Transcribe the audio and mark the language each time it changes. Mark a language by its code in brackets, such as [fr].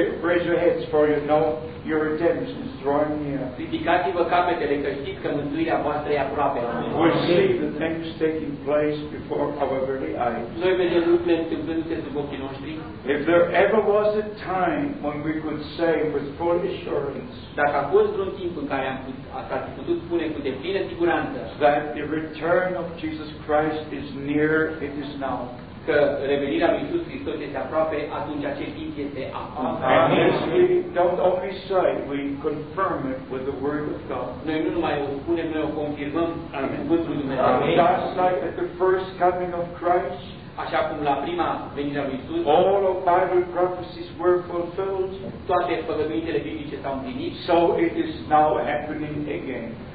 [en] Raise your heads, for you know your redemption is drawing near. [ro] Ridicați-vă capetele, că știți că mântuirea voastră e aproape. [en] We see the things taking place before our very eyes. [ro] Noi vedem lucrurile întâmplându-se sub ochii noștri. [en] If there ever was a time when we could say with full assurance. [ro] Dacă a fost vreun timp în care am putut spune cu deplină siguranță. [en] That the return of Jesus Christ is near, it is now. [ro] Că revenirea lui Iisus Hristos este aproape, atunci acest timp este acum. [en] Yes, we don't only say, we confirm it with the word of God. [ro] Noi nu numai o spunem, noi o confirmăm cu cuvântul lui Dumnezeu. [en] Just like at the first coming of Christ. [ro] Așa cum la prima venire a lui Iisus. [en] All of Bible prophecies were fulfilled. [ro] Toate făgăduințele biblice s-au împlinit. [en] So it is now happening again.